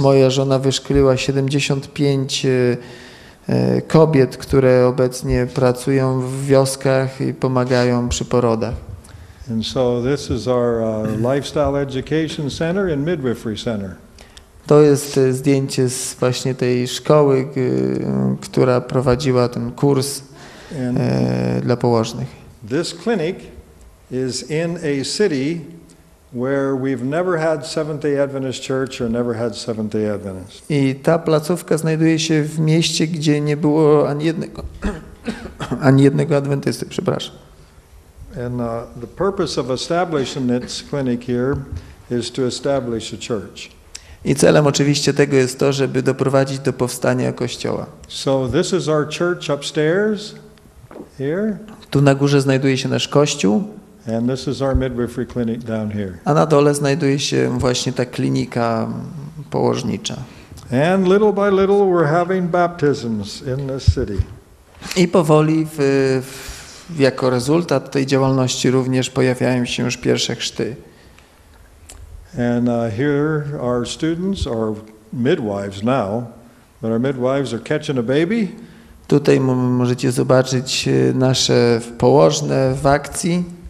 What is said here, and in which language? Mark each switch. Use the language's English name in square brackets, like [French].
[Polish] Moja żona wyszkoliła 75 kobiet, które obecnie pracują w wioskach i pomagają przy porodach. [English] And so this is our lifestyle education center and midwifery center. [Polish] To jest zdjęcie z właśnie tej szkoły, która prowadziła ten kurs dla położnych. [English] This clinic is in a city where we've never had Seventh-day Adventist church or never had Seventh-day Adventist. [Polish] I ta placówka znajduje się w mieście, gdzie nie było ani jednego adwentysty, przepraszam. [English] And the purpose of establishing this clinic here is to establish a church. [Polish] I celem oczywiście tego jest to, żeby doprowadzić do powstania kościoła. [English] So this is our church upstairs here. [Polish] Tu na górze znajduje się nasz kościół. [English] And this is our midwifery clinic down here. [Polish] A na dole znajduje się właśnie ta klinika położnicza. [English] And little by little we're having baptisms in this city. [Polish] I powoli jako rezultat tej działalności również pojawiają się już pierwsze chrzty. [English] And here our students are midwives now, but our midwives are catching a baby. [Polish] Tutaj możecie zobaczyć nasze położne w akcji.